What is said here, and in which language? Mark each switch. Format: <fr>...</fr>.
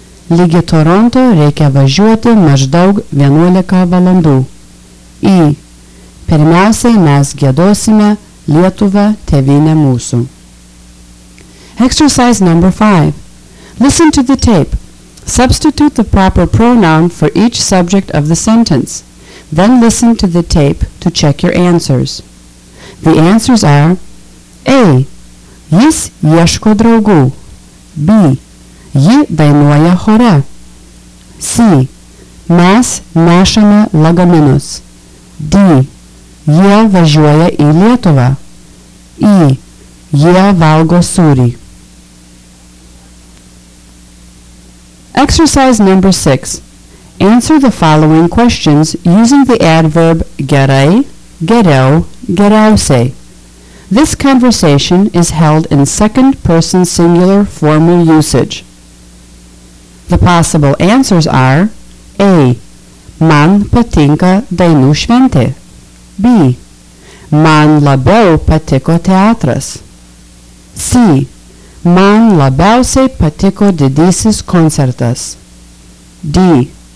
<lt>Ligi Toronto reikia važiuoti maždaug 11 valandų. I. Pirmiausiai mes giedosime Lietuvą tėvynę mūsų.</lt> <en>Exercise number 5. Listen to the tape. Substitute the proper pronoun for each subject of the sentence. Then listen to the tape to check your answers. The answers are A.</en> <lt>Jis ieško draugų.</lt> <en>B.</en> <lt>Ji dainuoja chore. C. Mes nešame lagaminus. D. Jie važiuoja į Lietuvą. E. Jie valgo sūrį.</lt> <en>Exercise number 6. Answer the following questions using the adverb</en> <lt>gerai, geriau, geriausiai.</lt> <en>This conversation is held in second person singular formal usage. The possible answers are A.</en> <lt>Man patinka dainų šventė. B. Man labiau patiko teatras. C. Man labiausiai patiko didysis koncertas. D.</lt>